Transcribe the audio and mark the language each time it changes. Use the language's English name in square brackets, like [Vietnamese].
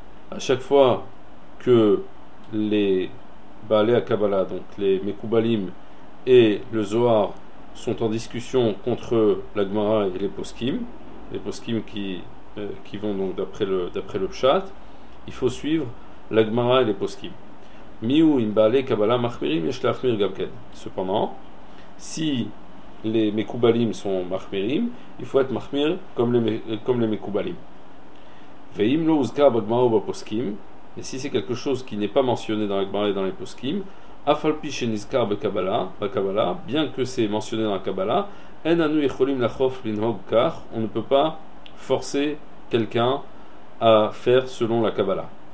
[French] À chaque fois que les בעלי הקבלה, donc les מקובלים et le זוהר, sont en discussion contre la גמרא et les poskim qui vont donc d'après le pshat, il faut suivre la גמרא et les poskim. [Hebrew] מיהו אם בעלי קבלה מחמירים יש להחמיר גם כן. [French] Cependant, si les Mekoubalim sont Mahmirim, il faut être Mahmir comme les Mekoubalim. [Hebrew] Veim lo uzka bagmara ou baposkim, [French] et si c'est quelque chose qui n'est pas mentionné dans la Gemara et dans les Poskim, [Hebrew] Afalpi Shenizkar Bekabbalah, [French] bien que c'est mentionné dans la Kabbalah, [Hebrew] En Anu Echolim Lachof Linhog Kar, [French] on ne peut pas forcer quelqu'un à faire selon la Kabbalah.